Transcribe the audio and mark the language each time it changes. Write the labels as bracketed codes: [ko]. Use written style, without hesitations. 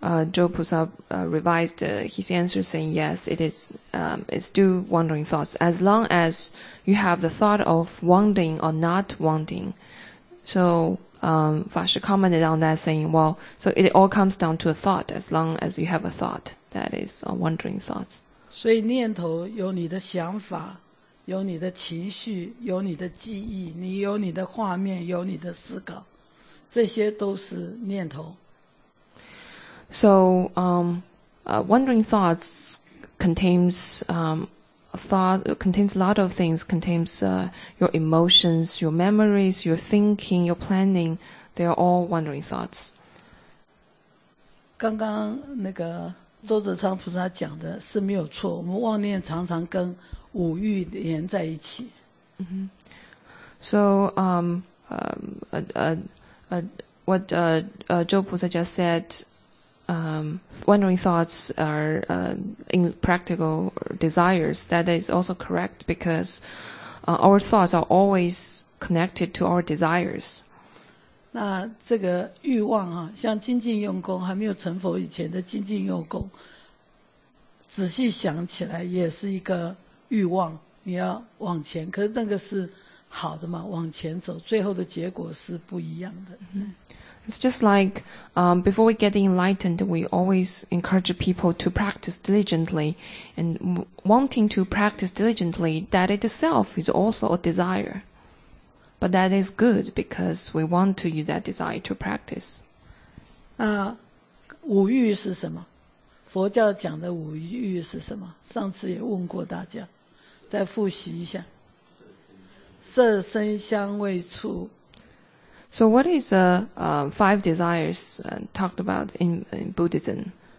[en] Joe Pusa revised his answer saying yes, it is it's still wandering thoughts. As long as you have the thought of wanting or not wanting, so... Fasha commented on that saying, well, so it all comes down to a thought, as long as you have a thought, that is a wandering thought. [zh] 所以念头有你的想法，有你的情绪，有你的记忆，你有你的画面，有你的思考，这些都是念头。 [en] So, wandering thoughts contains, contains a lot of things, contains your emotions, your memories, your thinking, your planning, they are all wandering thoughts. [zh] 刚刚那个周泽昌菩萨讲的是没有错，我们妄念常常跟五欲连在一起。 [en] So, Zhou Pusa just said,wandering thoughts are impractical desires. That is also correct because our thoughts are always connected to our desires. [zh] 那这个欲望啊，像精进用功还没有成佛以前的精进用功，仔细想起来也是一个欲望，你要往前，可是那个是好的嘛，往前走，最后的结果是不一样的。 [en] It's just like before we get enlightened, we always encourage people to practice diligently. And wanting to practice diligently, that itself is also a desire. But that is good because we want to use that desire to practice. [zh] 五欲是什么？佛教讲的五欲是什么？上次也问过大家，再复习一下。色声香味触。 [en] So what is the five desires talked about in Buddhism?